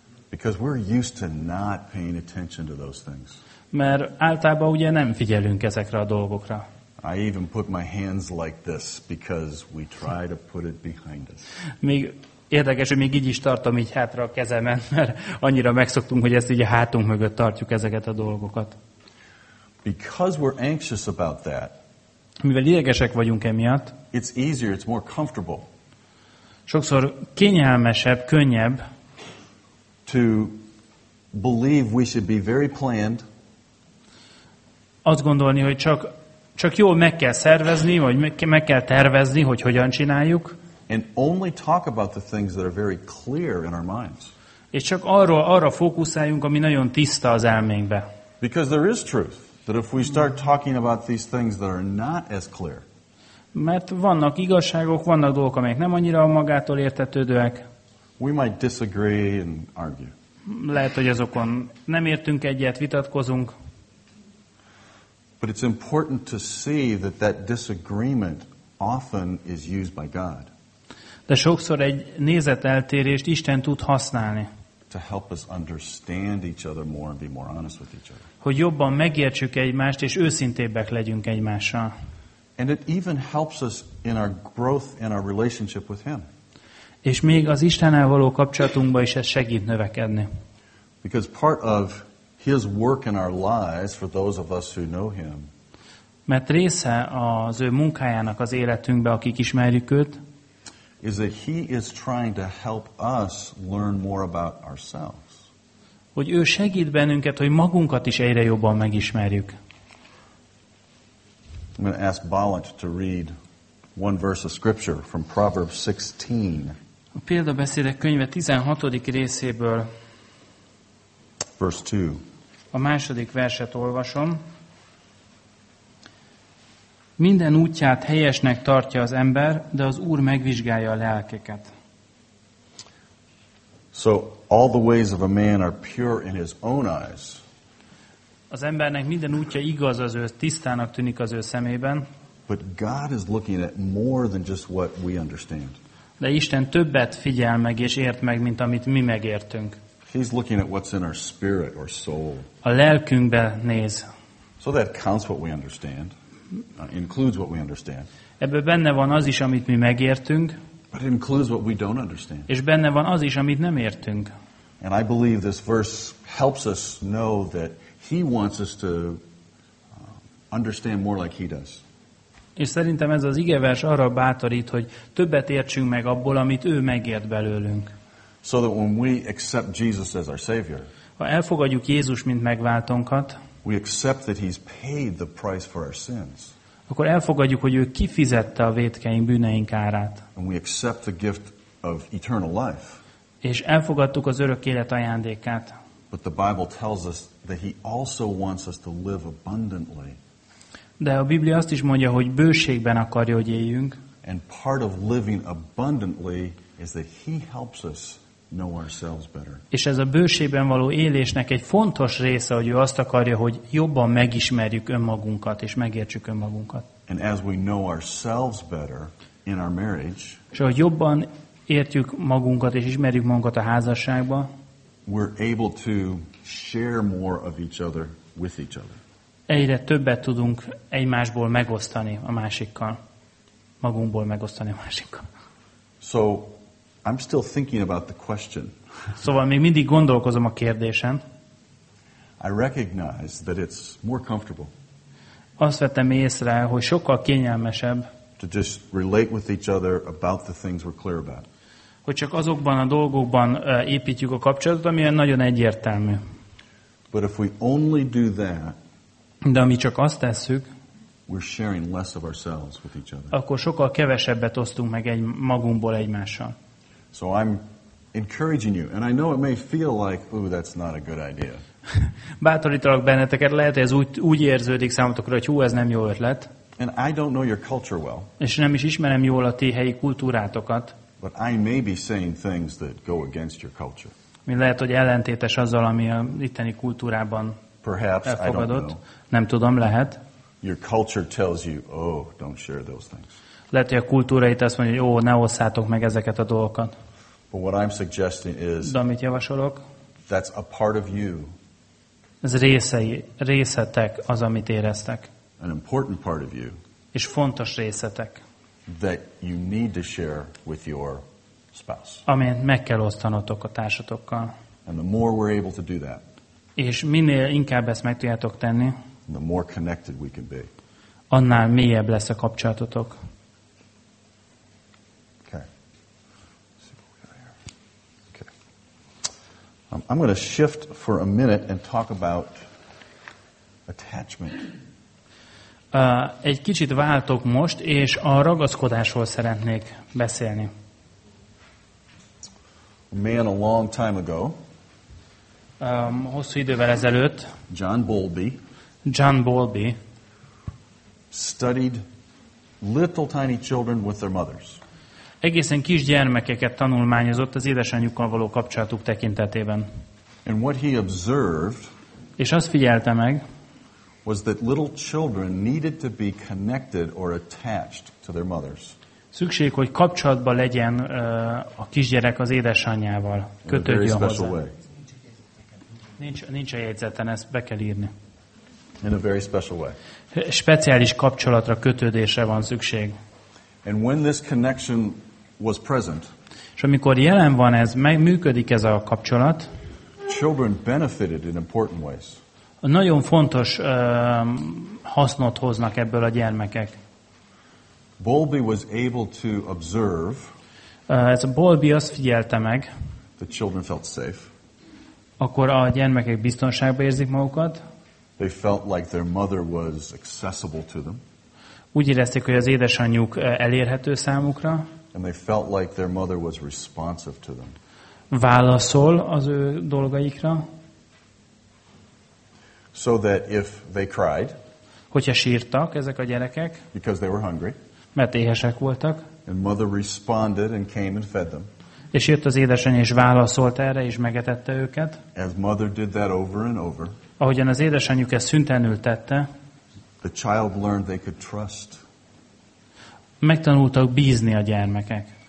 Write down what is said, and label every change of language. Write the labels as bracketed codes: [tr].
[en] Because we're used to not paying attention to those things. [hu] Mert általában ugye nem figyelünk ezekre a dolgokra. [en] I even put my hands like this because we try to put it behind us. [hu] Még érdekes, hogy még így is tartom így hátra a kezemet, mert annyira megszoktunk, hogy ezt így a hátunk mögött tartjuk ezeket a dolgokat. [en] Because we're anxious about that. [hu] Mivel idegesek vagyunk emiatt. [en] It's easier, it's more comfortable. [hu] Sokszor kényelmesebb, könnyebb [en] to believe we should be very planned. [hu] Azt gondolni, hogy csak jól meg kell szervezni, vagy meg kell tervezni, hogy hogyan csináljuk. [en] And only talk about the things that are very clear in our minds. [hu] És csak arra fókuszáljunk, ami nagyon tiszta az elménkbe. [en] Because there is truth that if we start talking about these things that are not as clear. [hu] Mert vannak igazságok, vannak dolgok, amelyek nem annyira magától értetődőek. [en] We might disagree and argue. [hu] lehet, hogy azokon nem értünk egyet, vitatkozunk. [en] But it's important to see that that disagreement often is used by God. [hu] De sokszor egy nézeteltérést Isten tud használni. [en] To help us understand each other more and be more honest with each other. [hu] Hogy jobban megértsük egymást és őszintébbek legyünk egymással. [en] And it even helps us in our growth in our relationship with Him. [hu] És még az Istennel való kapcsolatunkba is ez segít növekedni. [en] Because part of His work in our lives for those of us who know Him. [hu] Mert része az ő munkájának az életünkbe, akik ismerjük őt. [en] Is that He is trying to help us learn more about ourselves. [hu] Hogy ő segít bennünket, hogy magunkat is egyre jobban megismerjük. [en] I'm going to ask Balint to read one verse of scripture from Proverbs 16. [hu] A példabeszédek könyve 16. részéből. [en] Verse 2. [hu] A második verset olvasom. Minden útját helyesnek tartja az ember, de az Úr megvizsgálja a lelkeket. [en] So all the ways of a man are pure in his own eyes. [hu] Az embernek minden útja igaz az ő, tisztának tűnik az ő szemében. [en] But God is looking at more than just what we understand. [hu] De Isten többet figyel meg és ért meg, mint amit mi megértünk. [en] He's looking at what's in our spirit or soul. [hu] A lelkünkbe néz. [en] So that counts what we understand. Includes what we understand. [hu] Ebben benne van az is, amit mi megértünk. [en] But it includes what we don't understand. [hu] És benne van az is, amit nem értünk. [en] And I believe this verse helps us know that He wants us to understand more like He does. [hu] És szerintem ez az igevers arra bátorít, hogy többet értsünk meg abból, amit ő megért belőlünk. [en] So that when we accept Jesus as our Savior, [hu] ha elfogadjuk Jézus mint megváltónkat, [en] we accept that He's paid the price for our sins. [hu] Akkor elfogadjuk, hogy ő kifizette a vétkeink bűneink árát. [en] And we accept the gift of eternal life. [hu] És elfogadtuk az örök élet ajándékát. [en] But the Bible tells us that He also wants us to live abundantly. [hu] De a Biblia azt is mondja, hogy bőségben akarja, hogy éljünk. [en] And part of living abundantly is that He helps us know ourselves better. [hu] És ez a bőségben való élésnek egy fontos része, hogy ő azt akarja, hogy jobban megismerjük önmagunkat és megértsük önmagunkat. [en] And as we know ourselves better in our marriage, [hu] és ahogy jobban értjük magunkat és ismerjük magunkat a házasságba, [en] we're able to share more of each other with each other. [hu] Egyre többet tudunk egymásból megosztani a másikkal, magunkból megosztani a másikkal. [en] So I'm still thinking about the question. [hu] Szóval még mindig gondolkozom a kérdésen. [en] I recognize that it's more comfortable. [hu] Azt vettem észre, hogy sokkal kényelmesebb. [en] To just relate with each other about the things we're clear about. [hu] Hogy csak azokban a dolgokban építjük a kapcsolatot, ami nagyon egyértelmű. [en] But if we only do that, [hu] de ami csak azt tesszük, [en] we're sharing less of ourselves with each other. [hu] Akkor sokkal kevesebbet osztunk meg egy magunkból egymással. [en] So I'm encouraging you, and I know it may feel like, ooh, that's not a good idea. [hu] Bátorítalak benneteket, lehet, hogy ez úgy érződik számotokra, hogy hú, ez nem jó ötlet. [en] And I don't know your culture well. [hu] És nem is ismerem jól a ti helyi kultúrátokat. [en] But I may be saying things that go against your culture. [hu] Mi lehet, hogy ellentétes azzal, ami a itteni kultúrában [en] perhaps, [hu] elfogadott. [en] I don't know. [hu] Nem tudom, lehet. [en] Your culture tells you, oh, don't share those things. [hu] Lehet, hogy a kultúra itt azt mondja, hogy ó, ne osszátok meg ezeket a dolgokat. [en] But what I'm suggesting is, [hu] de amit javasolok, [en] that's a part of you. [hu] Ez részetek az, amit éreztek. [en] An important part of you. [hu] És fontos részetek. [en] That you need to share with your spouse. [hu] Amit meg kell osztanotok a társatokkal. [en] And the more we're able to do that, [hu] és minél inkább ezt meg tudjátok tenni, [en] the more connected we can be. [hu] Annál mélyebb lesz a kapcsolatotok. [en] I'm going to shift for a minute and talk about attachment. [hu] Egy kicsit váltok most, és a ragaszkodásról szeretnék beszélni. [en] A man a long time ago, [hu] hosszú idővel ezelőtt, [en] John Bowlby studied little tiny children with their mothers. [hu] Egészen kis gyermekeket tanulmányozott az édesanyjukkal való kapcsolatuk tekintetében. [en] And what he observed, [hu] és azt figyelte meg, [en] was that little children needed to be connected or attached to their mothers. [hu] Szükség, hogy kapcsolatban legyen a kisgyerek az édesanyjával, kötődjön hozzá. [en] Way. [hu] Nincs a jegyzeten, ezt be kell írni. [en] In a very special way. [hu] Speciális kapcsolatra, kötődésre van szükség. [en] And when this connection was present, [hu] és amikor jelen van ez, működik ez a kapcsolat, [en] children benefited in important ways. [hu] Nagyon fontos hasznot hoznak ebből a gyermekek. [en] Bowlby was able to observe. [hu] Ez a Bowlby azt figyelte meg. [en] The children felt safe. [hu] Akkor a gyermekek biztonságban érzik magukat. [en] They felt like their mother was accessible to them. [hu] Úgy érezték, hogy az édesanyjuk elérhető számukra. [en] And they felt like their mother was responsive to them. [hu] Válaszol az ő dolgaikra. [en] So that if they cried, [hu] hogyha sírtak ezek a gyerekek, [en] because they were hungry, [hu] mert éhesek voltak, [en] and mother responded and came and fed them, [hu] és jött az édesanyja és válaszolt erre és megetette őket, [en] as mother did that over and over, [hu] ahogyan az édesanyjuk ezt szüntelenül tette, [en] the child learned they could trust. [hu] Megtanultak bízni a gyermekek.